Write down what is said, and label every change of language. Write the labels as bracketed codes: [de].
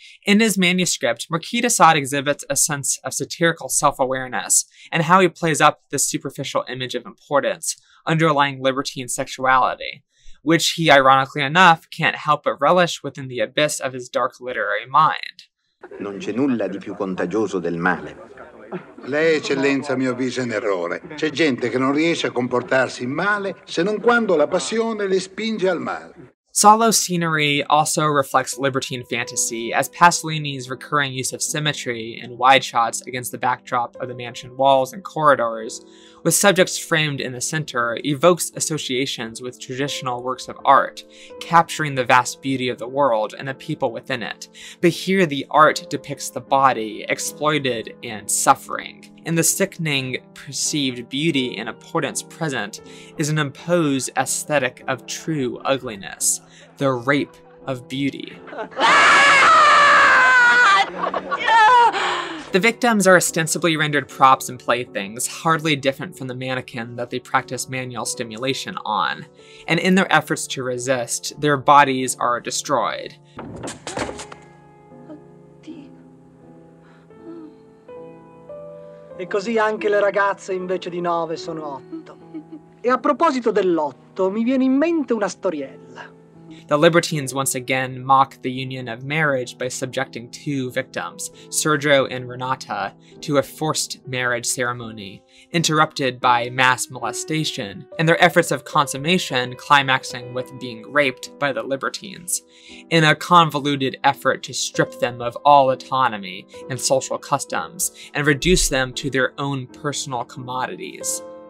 [en] In his manuscript, Marquis de Sade exhibits a sense of satirical self-awareness and how he plays up the superficial image of importance underlying libertine sexuality, which he, ironically enough, can't help but relish within the abyss of his dark literary mind. [it] Non c'è nulla di più contagioso del male. Lei, eccellenza, a mio avviso è un errore. C'è gente che non riesce a comportarsi male se non quando la passione le spinge al male. [en] Salò's scenery also reflects libertine fantasy, as Pasolini's recurring use of symmetry in wide shots against the backdrop of the mansion walls and corridors, with subjects framed in the center, evokes associations with traditional works of art, capturing the vast beauty of the world and the people within it. But here the art depicts the body, exploited and suffering. And the sickening perceived beauty and importance present is an imposed aesthetic of true ugliness, the rape of beauty. The victims are ostensibly rendered props and playthings, hardly different from the mannequin that they practice manual stimulation on. And in their efforts to resist, their bodies are destroyed. [it] E così anche le ragazze invece di nove sono otto. E a proposito dell'otto, mi viene in mente una storiella. [en] The libertines once again mock the union of marriage by subjecting two victims, Sergio and Renata, to a forced marriage ceremony, interrupted by mass molestation, and their efforts of consummation climaxing with being raped by the libertines, in a convoluted effort to strip them of all autonomy and social customs, and reduce them to their own personal commodities.